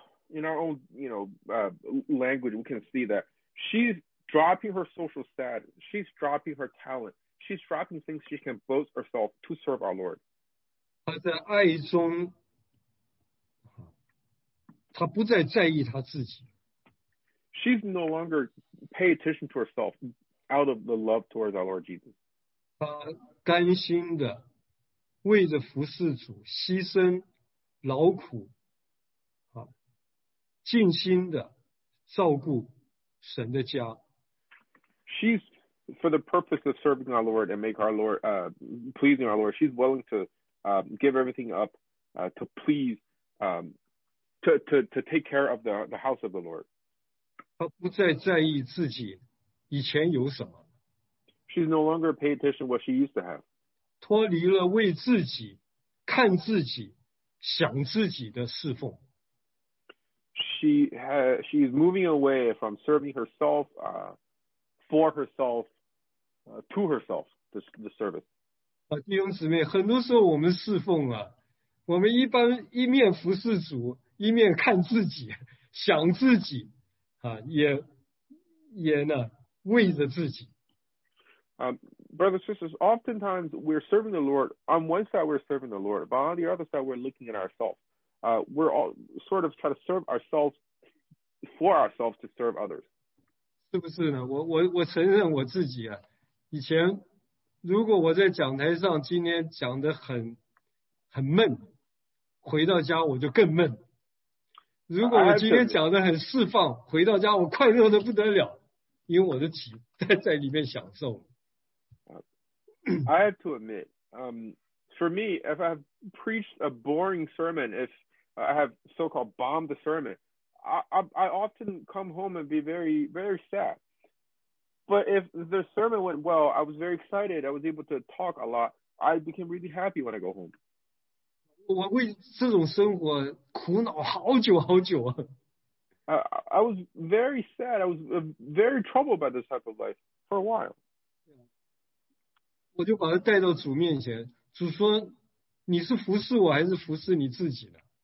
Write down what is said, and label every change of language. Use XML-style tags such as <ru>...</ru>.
<en>In our own language, we can see that she's dropping her social status, she's dropping her talent, she's dropping things she can boast herself to serve our Lord.</en> <zh>她在爱中，她不再在意她自己。</zh> <en>She's no longer pay attention to herself out of the love towards our Lord Jesus.</en> <zh>她甘心的为着服侍主牺牲劳苦，尽心的照顾神的家。</zh> <en>She's for the purpose of serving our Lord and make our Lord pleasing our Lord. She's willing to give everything up to please to take care of the house of the Lord.</en> <zh>她不再在意自己以前有什么。</zh> <en>She's no longer pay attention to what she used to have.</en> <zh>脱离了为自己、看自己、想自己的侍奉。</zh> <en>She is moving away from serving herself for herself to herself the service.</en> <zh>啊，弟兄姊妹，很多时候我们侍奉啊，我们一般一面服侍主，一面看自己，想自己，啊，也呢为着自己。</zh> <en>Brothers and sisters, oftentimes we're serving the Lord. On one side, we're serving the Lord, but on the other side, we're looking at ourselves. We're all sort of trying to serve ourselves for ourselves to serve others.</en> <zh>是不是呢？我承认我自己啊。以前如果我在讲台上今天讲得很闷，回到家我就更闷。如果我今天讲得很释放，回到家我快乐得不得了，因为我的体在里面享受。</zh> <en>I have to admit, for me, if I've preached a boring sermon, if I have so-called bombed the sermon, I often come home and be very, very sad. But if the sermon went well, I was very excited, I was able to talk a lot, I became really happy when I go home.</en> <zh>我为这种生活苦恼好久好久啊。</zh> <en>I was very sad, I was very troubled by this type of life for a while.</en> <zh>我就把他带到主面前，主说你是服侍我还是服侍你自己呢？</zh>